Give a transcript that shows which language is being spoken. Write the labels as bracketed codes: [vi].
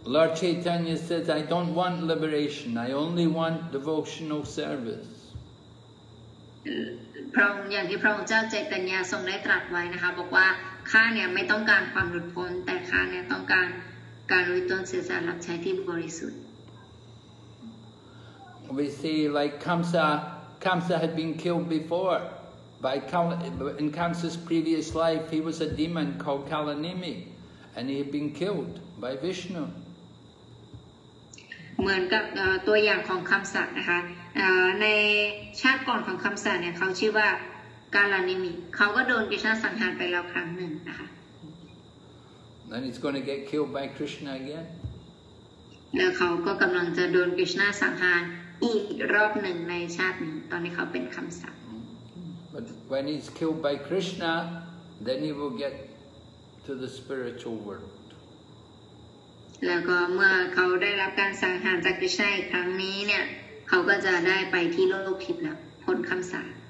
[en] Lord Chaitanya says I don't want liberation I only want devotional service [th] พระองค์อย่างที่พระองค์เจ้าเจตัญญาทรงได้ตรัสไว้นะคะบอกว่าข้าเนี่ยไม่ต้องการความหลุดพ้นแต่ข้าเนี่ยต้องการการอุทิศตนเสียสละรับใช้ที่บริสุทธิ์ [en] We see like Kamsa had been killed before by in Kamsa's previous life he was a demon called Kalanimi and he had been killed by Vishnu. [th] เหมือนกับตัวอย่างของ Kamsa นะคะในชาติก่อนของ Kamsa เนี่ยเขาชื่อว่า Kalanimi เขาก็โดน Vishnu สังหารไปแล้วครั้งหนึ่งนะคะ [en] Then he's going to get killed by Krishna again. [th] แล้วเขาก็กำลังจะโดน Vishnu สังหารอีกรอบหนึ่งในชาตินี้ตอนนี้เขาเป็นคำสั่ง [en] But when he's killed by Krishna, then he will get to the spiritual world. [th] แล้วก็เมื่อเขาได้รับการสังหารจากคริสต์ในครั้งนี้เนี่ยเขาก็จะได้ไปที่โลกทิพย์แล้วพ้นคำสั่ง